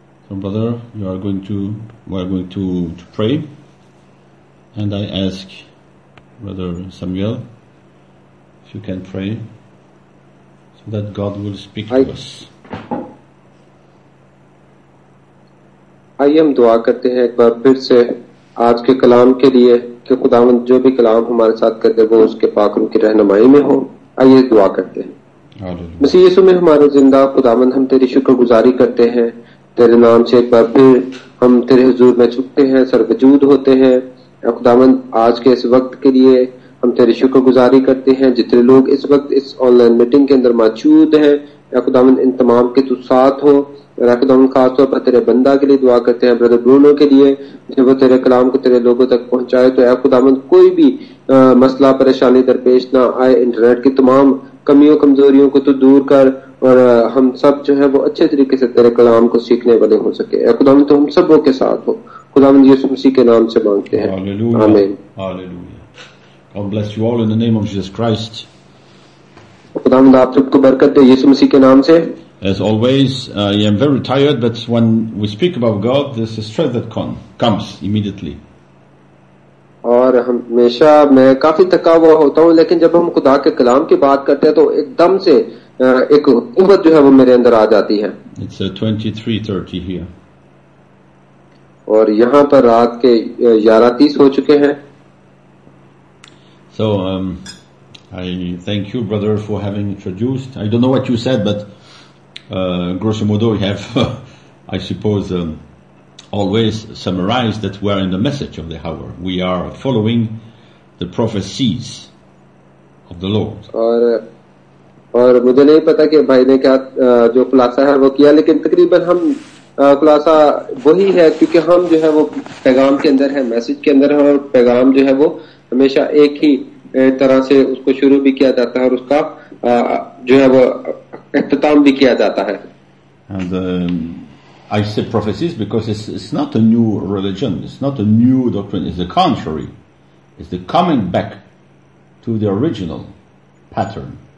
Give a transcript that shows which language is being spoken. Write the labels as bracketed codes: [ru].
[en] Brother, we are going to pray, and I ask Brother Samuel if you can pray so that God will speak to us. [hi] आइए हम दुआ करते हैं एक बार फिर से आज के कलाम के लिए कि खुदावंद जो भी कलाम हमारे साथ करते वो उसके पाक रूह की रहनुमाई में हो. आइए दुआ करते हैं. मसीह यीशु में हमारे जिंदा खुदावंद, हम तेरी शुक्रगुजारी करते हैं. तेरे नाम से एक बार फिर हम तेरे हुजूर में झुकते हैं, सर्वजूद होते हैं. खुदावंद आज के इस वक्त के लिए हम तेरी शुक्रगुजारी करते हैं. जितने लोग इस वक्त इस ऑनलाइन मीटिंग के अंदर मौजूद हैं, खुदावंद इन तमाम के तू साथ हो. खुदावंद खासतौर पर तेरे बंदा के लिए दुआ करते हैं, ब्रदर ब्रूनो के लिए, जब वो तेरे कलाम को तेरे लोगों तक पहुंचाए तो खुदावंद कोई भी मसला परेशानी दरपेश ना आए. इंटरनेट की तमाम कमियों कमजोरियों को तू दूर कर और हम सब जो है वो अच्छे तरीके से तेरे कलाम को सीखने वाले हो सके. खुदावंद तो हम सबों के साथ हो. खुदावंद यीशु मसीह के नाम से मांगते हैं. आमीन. Hallelujah. [en] God bless you all in the name of Jesus Christ. [hi] खुदावंद आप सबको बरकत दे यीशु मसीह के नाम से. [en] As always, I am very tired, but when we speak about God, there's a strength that comes immediately. [hi] और हमेशा मैं काफी थका हुआ होता हूँ, लेकिन जब हम खुदा के कलाम की बात करते हैं तो एकदम से एक उम्र जो है वो मेरे अंदर आ जाती है. [en] It's 23:30 here. [hi] और यहाँ पर रात के 11:30 हो चुके हैं. [en] So, I thank you, brother, for having introduced. I don't know what you said, but grosso modo, you have, I suppose, always summarized that we are in the message of the hour. We are following the prophecies of the Lord. [hi] और मुझे नहीं पता कि भाई ने क्या जो खुलासा है वो किया, लेकिन तकरीबन हम खुलासा वही है, क्योंकि हम जो है वो पैगाम के अंदर है, मैसेज के अंदर है, और पैगाम जो है वो हमेशा एक ही तरह से उसको शुरू भी किया जाता है और उसका जो है वो इख्तिताम भी किया जाता है. [en] And, I say prophecies because it's not a new religion, it's not a new doctrine, it's the contrary, it's the coming back to the original pattern.